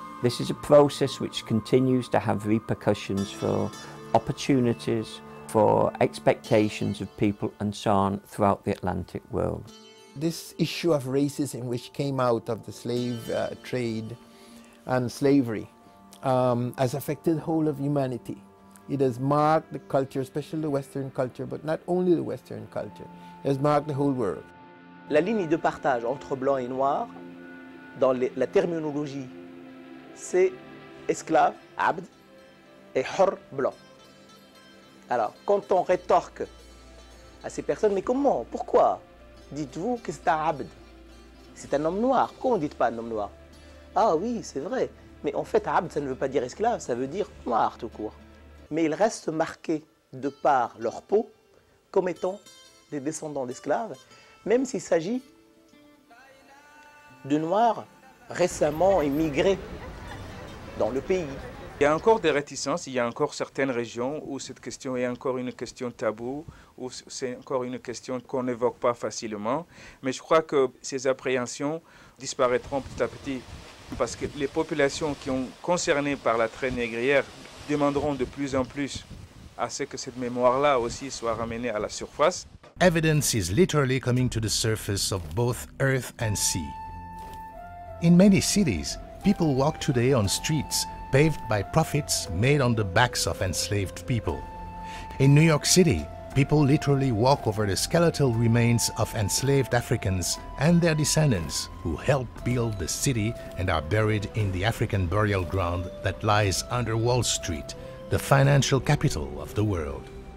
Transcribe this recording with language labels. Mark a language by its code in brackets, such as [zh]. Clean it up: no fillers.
[en] This is a process which continues to have repercussions for opportunities, for expectations of people and so on throughout the Atlantic world. This issue of racism which came out of the slave trade and slavery has affected the whole of humanity. It has marked the culture, especially the Western culture, but not only the Western culture. It has marked the whole world. [fr] La ligne de partage entre blanc et noir dans la terminologie c'est esclave, abd, et hor, blanc. Alors, quand on rétorque à ces personnes, mais comment, pourquoi dites-vous que c'est un abd? C'est un homme noir. Pourquoi vous ne dites pas un homme noir? Ah oui, c'est vrai. Mais en fait, abd, ça ne veut pas dire esclave, ça veut dire noir tout court. Mais ils restent marqués de par leur peau comme étant des descendants d'esclaves, même s'il s'agit de noirs récemment immigrés dans le pays. Il y a encore des réticences, il y a encore certaines régions où cette question est encore une question taboue, où c'est encore une question qu'on n'évoque pas facilement. Mais je crois que ces appréhensions disparaîtront petit à petit, parce que les populations qui sont concernées par la traite négrière demanderont de plus en plus à ce que cette mémoire-là aussi soit ramenée à la surface. [en] Evidence is literally coming to the surface of both earth and sea. In many cities, people walk today on streets paved by profits made on the backs of enslaved people. In New York City, people literally walk over the skeletal remains of enslaved Africans and their descendants who helped build the city and are buried in the African burial ground that lies under Wall Street, the financial capital of the world.